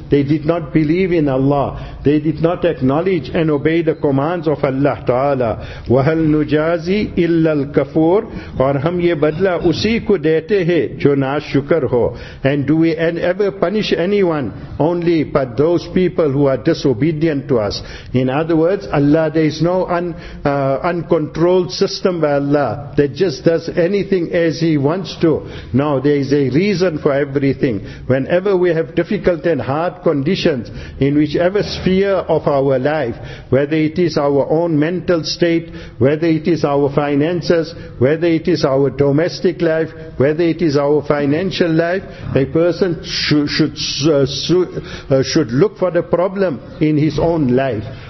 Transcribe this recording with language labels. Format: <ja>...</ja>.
<en>They did not believe in Allah. They did not acknowledge and obey the commands of Allah Ta'ala.</en> <ar>وَهَلْ نُجَازِ إِلَّا الْكَفُورِ.</ar> <ur>اور ہم یہ بدلہ اسی کو دیتے ہیں جو ناشکر ہو.</ur> <en>And do we ever punish anyone? Only but those people who are disobedient to us. In other words, Allah, there is no uncontrolled system by Allah that just does anything as He wants to. No, there is a reason for everything. Whenever we have difficult and hard conditions in whichever sphere of our life, whether it is our own mental state, whether it is our finances, whether it is our domestic life, whether it is our financial life, a person should look for the problem in his own life.</en>